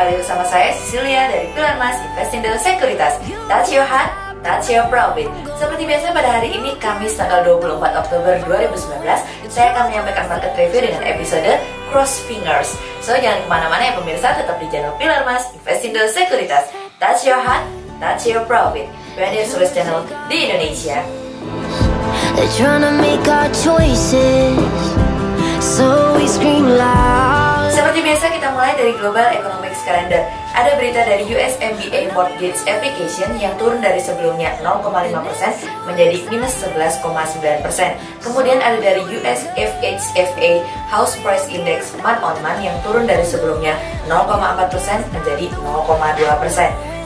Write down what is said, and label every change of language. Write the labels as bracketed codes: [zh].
[id] bersama saya Cecilia dari Pilar Mas Investindo Sekuritas. [en] That's your heart, that's your profit. [id] Seperti biasa pada hari ini Kamis tanggal 24 Oktober 2019, saya akan menyampaikan market review dengan episode Cross Fingers. So jangan kemana-mana ya pemirsa, tetap di channel Pilar Mas Investindo Sekuritas. [en] That's your heart, that's your profit. Pioneer Swiss channel [id] di Indonesia. [en] They're trying to make our choices, so we scream loud. [id] Seperti biasa kita mulai dari Global Economics Calendar. Ada berita dari US MBA Mortgage Application yang turun dari sebelumnya 0,5% menjadi minus 11,9%. Kemudian ada dari US FHFA House Price Index Month on Month yang turun dari sebelumnya 0,4% menjadi 0,2%.